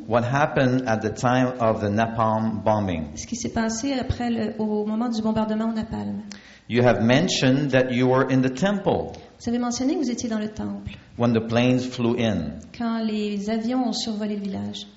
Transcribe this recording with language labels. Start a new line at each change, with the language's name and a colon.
English: what happened at the time of the napalm bombing.
French: Ce qui s'est passé après au moment du bombardement au napalm.
English: You have mentioned that you were in the temple.
French: Vous avez mentionné que vous étiez dans le temple.
English: When the planes flew in.
French: Quand les avions ont survolé le village.